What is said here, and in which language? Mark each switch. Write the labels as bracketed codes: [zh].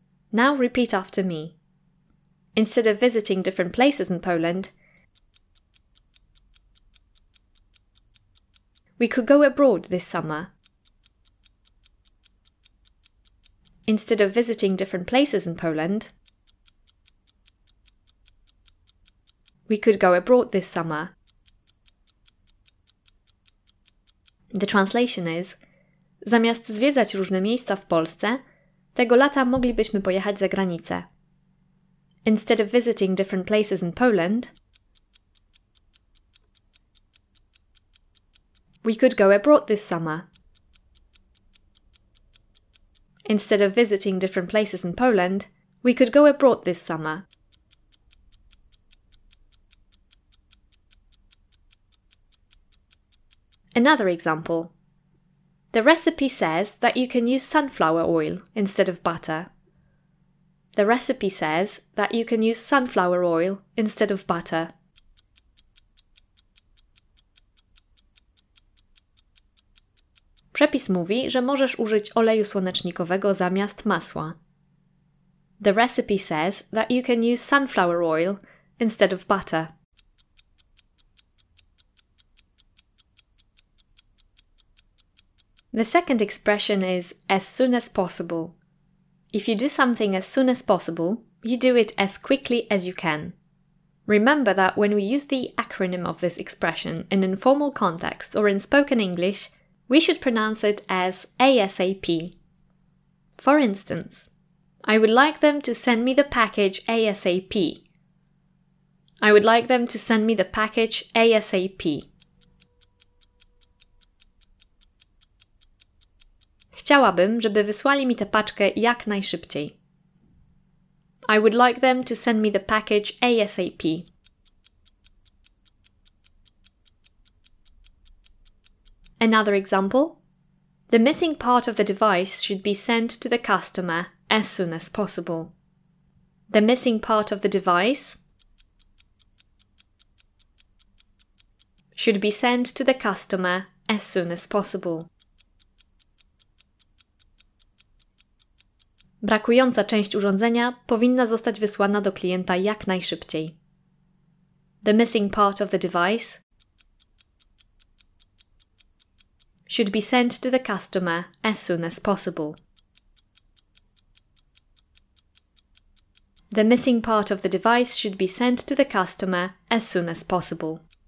[en] Now repeat after me. Instead of visiting different places in Poland, we could go abroad this summer. Instead of visiting different places in Poland, we could go abroad this summer. The translation is: [pl] zamiast zwiedzać różne miejsca w Polsce, tego lata moglibyśmy pojechać za granicę. [en] Instead of visiting different places in Poland, we could go abroad this summer. Instead of visiting different places in Poland, we could go abroad this summer. Another example. The recipe says that you can use sunflower oil instead of butter. The recipe says that you can use sunflower oil instead of butter. [pl] Przepis mówi, że możesz użyć oleju słonecznikowego zamiast masła. [en] The recipe says that you can use sunflower oil instead of butter. The second expression is as soon as possible. If you do something as soon as possible, you do it as quickly as you can. Remember that when we use the acronym of this expression in informal contexts or in spoken English, we should pronounce it as ASAP. For instance, I would like them to send me the package ASAP. I would like them to send me the package ASAP. [pl] Chciałabym, żeby wysłali mi tę paczkę jak najszybciej. [en] I would like them to send me the package ASAP. Another example. The missing part of the device should be sent to the customer as soon as possible. The missing part of the device should be sent to the customer as soon as possible. [pl] Brakująca część urządzenia powinna zostać wysłana do klienta jak najszybciej. [en] The missing part of the device should be sent to the customer as soon as possible. The missing part of the device should be sent to the customer as soon as possible.